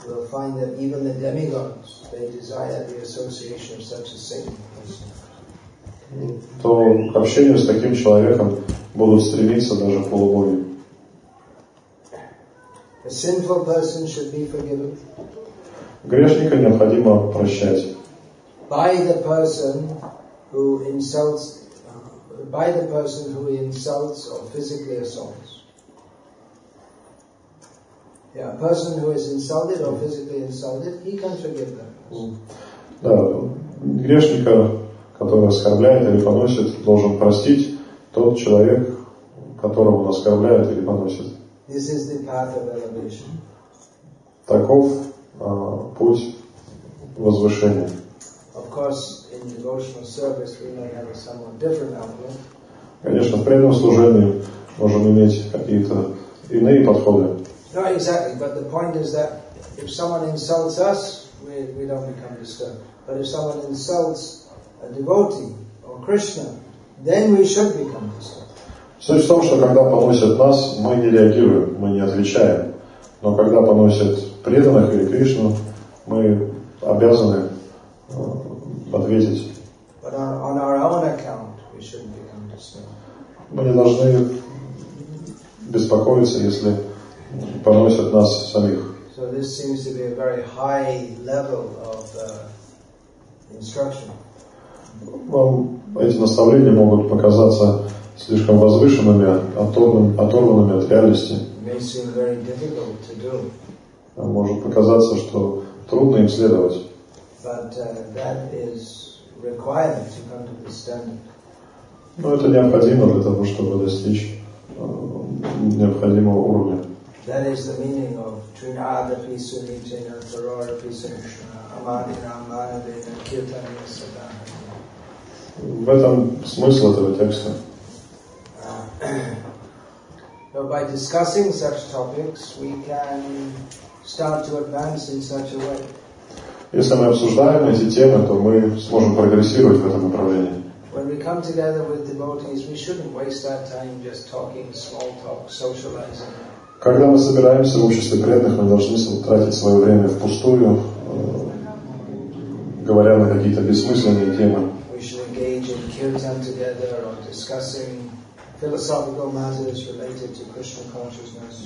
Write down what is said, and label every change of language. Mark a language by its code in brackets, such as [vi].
[en] Find that even the demigods, they desire the association of such a saintly person. [ru] То к общению с таким человеком будут стремиться даже полубоги. [en] A sinful person should be forgiven. [ru] Грешника необходимо прощать. [en] By the person who insults or physically assaults. Yeah, a person who is insulted or physically insulted, he can forgive them. [ru] Да, грешника, который оскорбляет или поносит, должен простить тот человек, которого он оскорбляет или поносит. [en] This is the path of elevation. [ru] Таков путь возвышения. [en] Of course, in devotional service, we may have a somewhat different outlook. [ru] Конечно, в преданном служении можем иметь какие-то иные подходы. [en] No, exactly. But the point is that if someone insults us, we don't become disturbed. But if someone insults a devotee or Krishna, then we should become disturbed. [ru] Суть в том, что когда поносят нас, мы не реагируем, мы не отвечаем. Но когда поносят преданных или Кришну, мы обязаны ответить. [en] But on our own account, we shouldn't become disturbed. [ru] Мы не должны беспокоиться, если поносят нас самих. [en] So this seems to be a very high level of instruction. [ru] Вам эти наставления могут показаться слишком возвышенными, оторванными от реальности. [en] May seem very difficult to do. [ru] Может показаться, что трудно им следовать. [en] But that is required to come to this standard. [ru] Но это необходимо для того, чтобы достичь необходимого уровня. [en] That is the meaning of [sa] Trinadapi Sunitina, Tararapi Sunishna, Amanina, Amanadina, Kirtanina, Sadhana. [ru] В этом смысл этого текста. [en] So by discussing such topics, we can start to advance in such a way. [ru] Если мы обсуждаем эти темы, то мы сможем прогрессировать в этом направлении. [en] When we come together with devotees, we shouldn't waste our time just talking, small talk, socializing. [ru] Когда мы собираемся в обществе преданных, мы должны тратить свое время впустую, говоря на какие-то бессмысленные темы. [en] We should engage in kirtan together or discussing philosophical matters related to Krishna consciousness.